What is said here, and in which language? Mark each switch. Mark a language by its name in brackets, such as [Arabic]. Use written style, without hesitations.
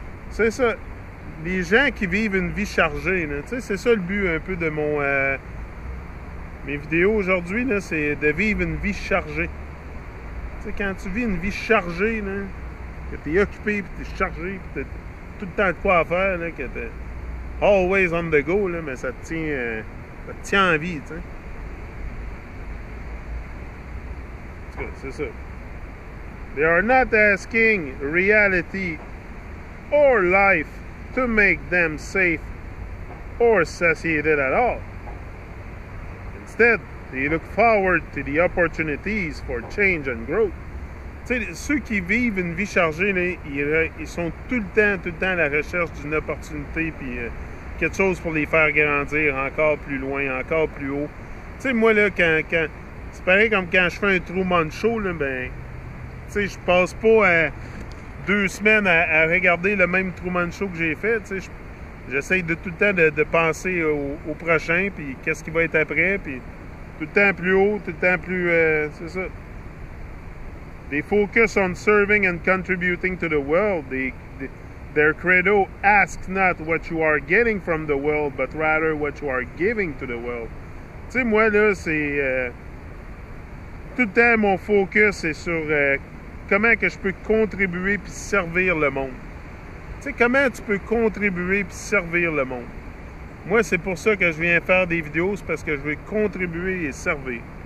[French] C'est ça. Les gens qui vivent une vie chargée, là, t'sais, c'est ça le but un peu de mes vidéos aujourd'hui, là, c'est de vivre une vie chargée. T'sais, quand tu vis une vie chargée, là, que t'es occupé, puis t'es chargé, puis t'as tout le temps de quoi à faire, là, que t'es [English] always on the go, [French] là, mais ça te tient en vie, t'sais. C'est ça. [English] They are not asking reality or life to make them safe or satiated at all. Instead, they look forward to the opportunities for change and growth. [French] Tu sais, ceux qui vivent une vie chargée, là, ils sont tout le temps à la recherche d'une opportunité puis quelque chose pour les faire grandir encore plus loin, encore plus haut. Tu sais, moi, là, quand c'est pareil comme quand je fais un Truman Show, là, ben, tu sais, je passe pas deux semaines à regarder le même Truman Show que j'ai fait, tu sais, j'essaye de tout le temps de penser au prochain, puis qu'est-ce qui va être après, puis tout le temps plus haut, tout le temps plus, c'est ça. [English] They focus on serving and contributing to the world. Their credo, ask not what you are getting from the world, but rather what you are giving to the world. [French] Tu sais, moi, là, c'est... tout le temps, mon focus est sur comment que je peux contribuer puis servir le monde. Tu sais, comment tu peux contribuer puis servir le monde? Moi, c'est pour ça que je viens faire des vidéos, c'est parce que je veux contribuer et servir.